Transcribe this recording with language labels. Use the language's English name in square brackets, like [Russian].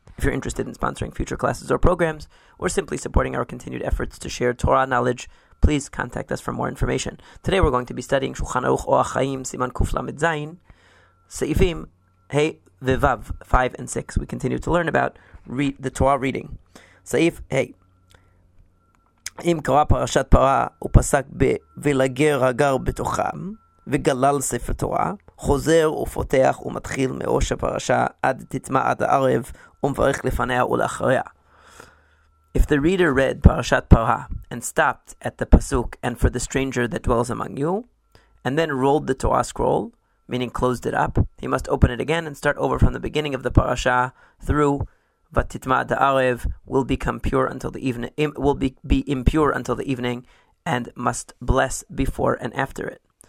[English] If you're interested in sponsoring future classes or programs, or simply supporting our continued efforts to share Torah knowledge, please contact us for more information. Today we're going to be studying Shulchan Aruch O Achaim Siman Kuf Lamed Zayin, Seifim Hey Vivav 5 and 6. We continue to learn about the Torah reading. Seif Hey. [Hebrew] אם קרא פרשת פרה ופסק בוולגר הגר בתוכם וגלל ספר תורה חוזר ופותח ומתחיל מראש הפרשה עד תטמע עד הערב ומברך לפניה ולאחריה. [English] If the reader read פרשת פרה and stopped at the pasuk and for the stranger that dwells among you and then rolled the Torah scroll, meaning closed it up, he must open it again and start over from the beginning of the parasha through Vatitma da'arev, will become pure until the evening, will be impure until the evening, and must bless before and after it.